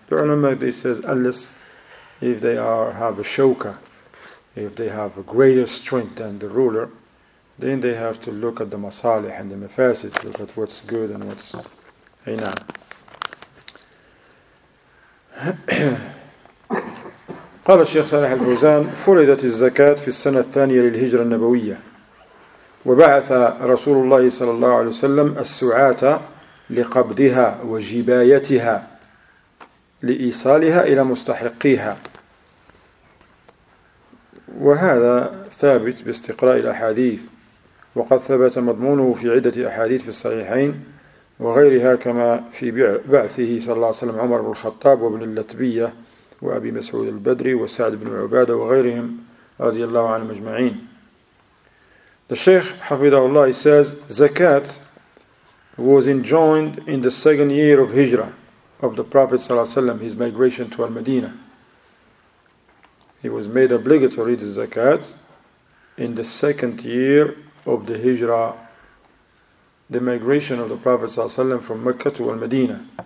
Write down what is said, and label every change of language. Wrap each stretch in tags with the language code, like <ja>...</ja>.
<en>The ulama, they says, unless if they have a shoka, if they have a greater strength than the ruler, then they have to look at the masalih and the mafasid, look at what's good and what's aynan.</en> <ar>قال الشيخ صالح الفوزان فرضت الزكاة في السنة الثانية للهجرة النبوية وبعث رسول الله صلى الله عليه وسلم السعاة لقبضها وجبايتها لإيصالها إلى مستحقيها وهذا ثابت باستقراء الأحاديث وقد ثبت مضمونه في عدة أحاديث في الصحيحين وغيرها كما في بعثه صلى الله عليه وسلم عمر بن الخطاب وابن اللتبية وأبي مسعود البدري وسعد بن عبادة وغيرهم رضي الله عنهم أجمعين.</ar> <en>The Shaykh حفظه الله says Zakat was enjoined in the second year of Hijrah of the Prophet صلى الله عليه وسلم, his migration to Al-Madinah. It was made obligatory, the Zakat, in the second year of the Hijrah, the migration of the Prophet ﷺ from Mecca to Al-Madinah.</en>